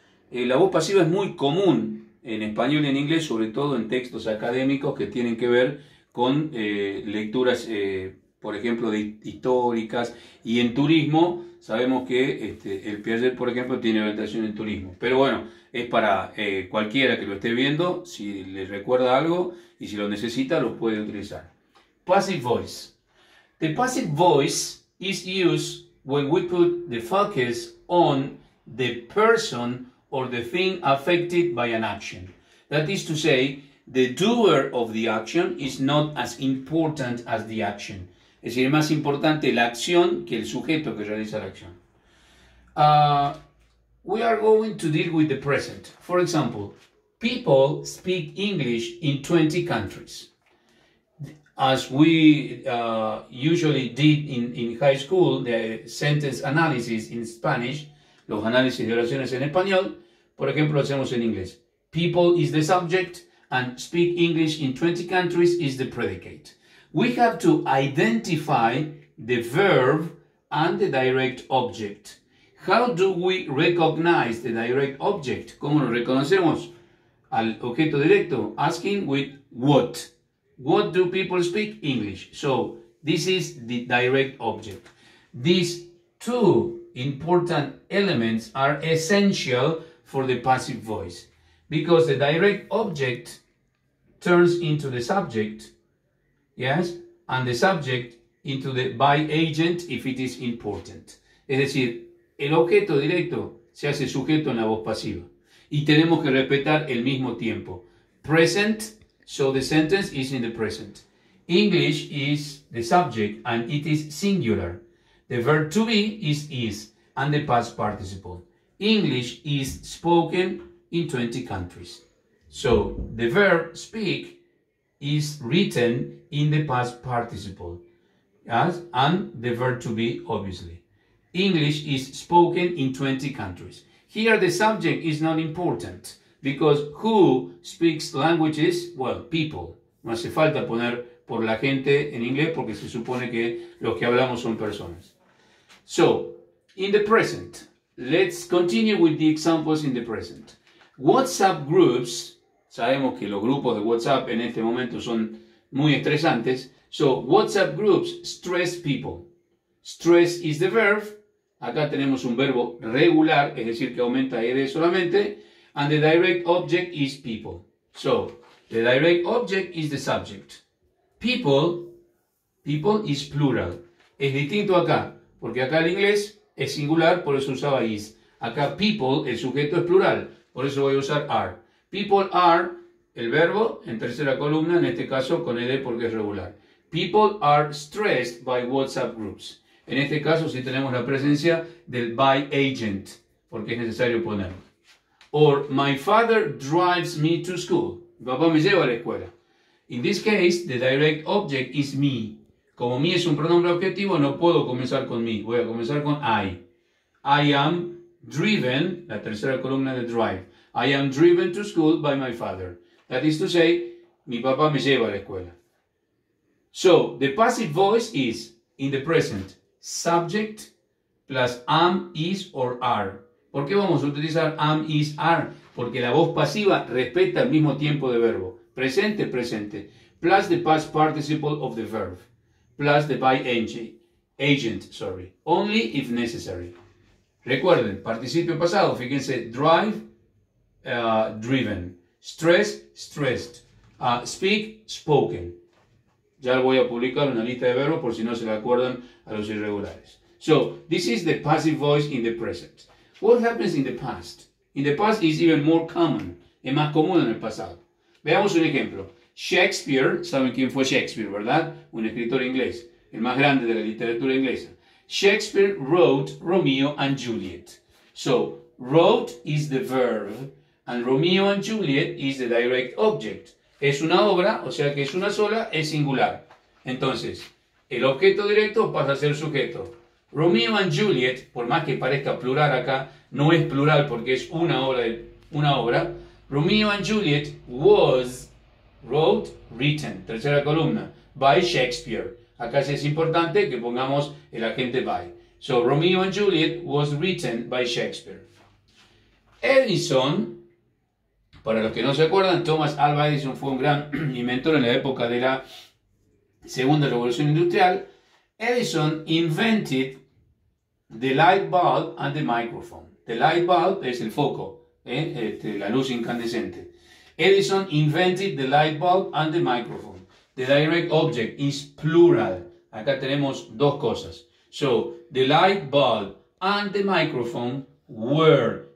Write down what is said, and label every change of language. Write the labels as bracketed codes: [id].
[es] La voz pasiva es muy común en español y en inglés, sobre todo en textos académicos que tienen que ver con lecturas, por ejemplo, de históricas y en turismo. Sabemos que el Piaget, por ejemplo, tiene orientación en turismo. Pero bueno, es para cualquiera que lo esté viendo, si le recuerda algo y si lo necesita, lo puede utilizar. [en] Passive voice. The passive voice is used when we put the focus on the person or the thing affected by an action. That is to say, the doer of the action is not as important as the action. [es] Es decir, es más importante la acción que el sujeto que realiza la acción. [en] We are going to deal with the present. For example, people speak English in 20 countries. As we usually did in high school, the sentence analysis in Spanish, [es] los análisis de oraciones en español, por ejemplo, lo hacemos en inglés. [en] People is the subject and speak English in 20 countries is the predicate. We have to identify the verb and the direct object. How do we recognize the direct object? [es] ¿Cómo lo reconocemos al objeto directo? [en] Asking with what. What do people speak English? So, this is the direct object. These two important elements are essential for the passive voice. Because the direct object turns into the subject. Yes, and the subject into the by agent if it is important. [es] Es decir, el objeto directo se hace sujeto en la voz pasiva. Y tenemos que respetar el mismo tiempo. [en] Present, so the sentence is in the present. English is the subject and it is singular. The verb to be is and the past participle. English is spoken in 20 countries. So the verb speak is written in the past participle, yes? And the verb to be, obviously. English is spoken in 20 countries. Here the subject is not important, because who speaks languages? Well, people. [es] No hace falta poner por la gente en inglés, porque se supone que los que hablamos son personas. [en] So, in the present, let's continue with the examples in the present. WhatsApp groups. [es] Sabemos que los grupos de WhatsApp en este momento son muy estresantes. [en] So, WhatsApp groups stress people. Stress is the verb. [es] Acá tenemos un verbo regular, es decir, que aumenta ed solamente. [en] And the direct object is people. So, the direct object is the subject. People is plural. [es] Es distinto acá, porque acá el inglés es singular, por eso usaba is. Acá people, el sujeto es plural, por eso voy a usar are. [en] People are, [es] el verbo, en tercera columna, en este caso con ed porque es regular. [en] People are stressed by WhatsApp groups. [es] En este caso sí tenemos la presencia del by agent, porque es necesario ponerlo. [en] Or, my father drives me to school. [es] Mi papá me lleva a la escuela. [en] In this case, the direct object is me. [es] Como me es un pronombre objetivo, no puedo comenzar con me. Voy a comenzar con I. [en] I am driven, [es] la tercera columna de drive. [en] I am driven to school by my father. That is to say, [es] mi papá me lleva a la escuela. [en] So, the passive voice is, in the present, subject plus am, is, or are. [es] ¿Por qué vamos a utilizar am, is, are? Porque la voz pasiva respeta el mismo tiempo de verbo. Presente, presente. [en] Plus the past participle of the verb. Plus the by agent, sorry. Only if necessary. [es] Recuerden, participio pasado, fíjense, drive, driven. [en] Stress, stressed. Speak, spoken. [es] Ya voy a publicar una lista de verbos por si no se le acuerdan a los irregulares. [en] So, this is the passive voice in the present. What happens in the past? In the past is even more common. [es] Es más común en el pasado. Veamos un ejemplo. Shakespeare, ¿saben quién fue Shakespeare, verdad? Un escritor inglés. El más grande de la literatura inglesa. [en] Shakespeare wrote Romeo and Juliet. So, wrote is the verb. And Romeo and Juliet is the direct object. [es] Es una obra, o sea que es una sola, es singular. Entonces, el objeto directo pasa a ser sujeto. Romeo and Juliet, por más que parezca plural acá, no es plural porque es una obra. [en] Romeo and Juliet was Wrote, written. [es] Tercera columna. [en] By Shakespeare. [es] Acá sí es importante que pongamos el agente by. [en] So, Romeo and Juliet was written by Shakespeare. [es] Edison, para los que no se acuerdan, Thomas Alva Edison fue un gran inventor en la época de la Segunda Revolución Industrial. [en] Edison invented the light bulb and the microphone. The light bulb [es] es el foco, la luz incandescente. [en] Edison invented the light bulb and the microphone. The direct object is plural. [es] Acá tenemos dos cosas. [en] So, the light bulb and the microphone were.